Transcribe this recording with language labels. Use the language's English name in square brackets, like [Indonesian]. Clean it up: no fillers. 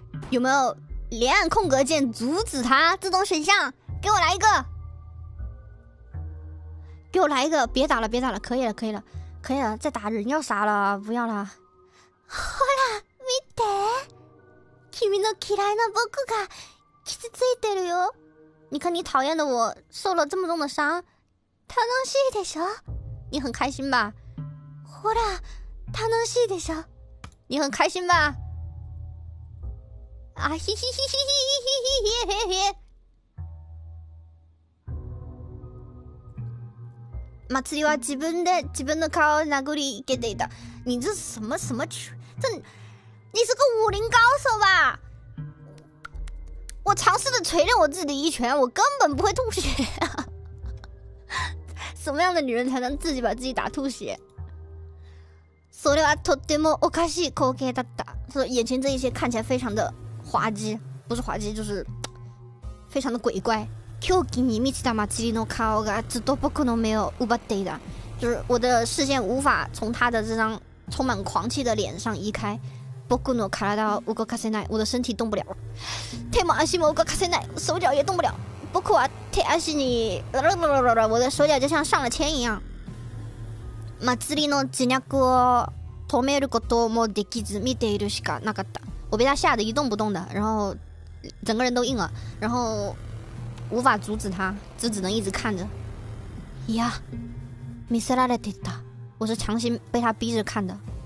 [Chinese] 有没有连按空格键阻止他？自动选项，给我来一个，给我来一个！别打了，别打了，可以了，可以了，可以了，再打人要杀了，不要了。 [Japanese] ほら、見て、君の嫌いな僕が傷ついてるよ。 [Chinese] 你看你讨厌的我受了这么重的伤， [Japanese] 楽しいでしょ？ [Chinese] 你很开心吧？ [Japanese] ほら、楽しいでしょ？ [Chinese] 你很开心吧？啊嘻嘻嘻嘻嘻嘻嘻嘻嘻嘿嘿嘿！ [Japanese] 马茨里娃自分で自分の顔殴り受けていた。 [Chinese] 你这是什么什么曲？这你是个武林高手吧？我尝试着锤炼我自己的一拳，我根本不会吐血。什么样的女人才能自己把自己打吐血？ [Japanese] それはとってもおかしい光景だった。 [Chinese] 说眼前这一切看起来非常的。滑稽，不是滑稽，就是非常的鬼怪。 [Japanese] 狂気に満ちた祭りの顔がずっと僕の目を奪っていた， [Chinese] 就是我的视线无法从他的这张充满狂气的脸上移开。 [Japanese] 僕の体を動かせない， [Chinese] 我的身体动不了。 [Japanese] 手も足も動かせない， [Chinese] 手脚也动不了。 [Japanese] 僕は手足に， [Chinese] 我的手脚就像上了铅一样。 [Japanese] 祭りの自虐を止めることもできず見ているしかなかった。 [Chinese] 我被他吓得一动不动的，然后整个人都硬了，然后无法阻止他，就只能一直看着。 [Japanese] いや、見せられていた。 [Chinese] 我是强行被他逼着看的。